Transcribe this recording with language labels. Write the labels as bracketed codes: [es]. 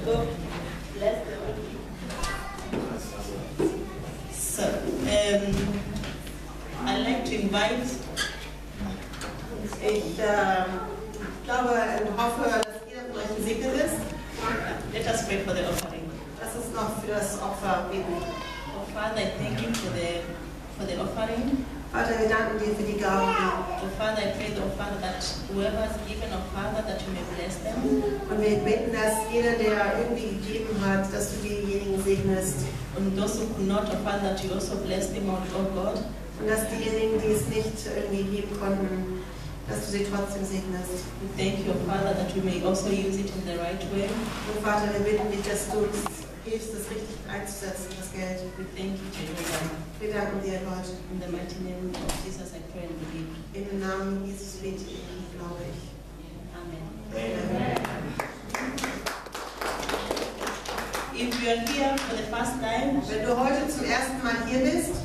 [en] Let's go. Bless the Lord. So, I'd like to invite [de] Ich glaube und hoffe, dass jeder von euch gesegnet ist. [en] Let us pray for the offering. [de] Lass uns noch für das Opfer beten. [en] Oh Father, I thank you for the offering. [de] Vater, wir danken dir für die Gabe. [en] Oh Father, I pray the offering that whoever has given, oh Father, that you may bless them. [de] Und wir beten, dass jeder, der irgendwie gegeben hat, dass du diejenigen segnest. [en] And those who could not, oh Father, that you also bless them, oh God. [de] Und dass diejenigen, die es nicht irgendwie geben konnten, dass du sie trotzdem segnest. [en] We thank you, Father, that you may also use it in the right way. [de] Oh Vater, wir bitten dich, dass du uns hilfst, das richtig einzusetzen, das Geld. [en] We thank you, Jesus. [de] Wir danken dir, Gott. [en] In the mighty name of Jesus, I pray and believe. [de] Im Namen Jesus bete ich und glaube ich. [en] Amen. [de] Amen. [en] If you are here for the first time, [de] wenn du heute zum ersten Mal hier bist,